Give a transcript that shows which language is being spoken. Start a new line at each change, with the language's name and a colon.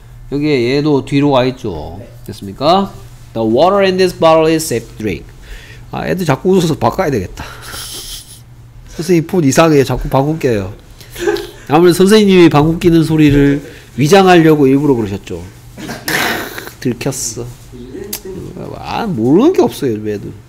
Korean: 여기에 얘도 뒤로 와 있죠. 됐습니까?
English: The water in this bottle is safe to drink.
Korean: 아, 애들 자꾸 웃어서 바꿔야 되겠다. 선생님 폰 이상해. 자꾸 방금 깨요. 아무래도 선생님이 방금 끼는 소리를 위장하려고 일부러 그러셨죠. 들켰어. 아 모르는 게 없어요. 얘도.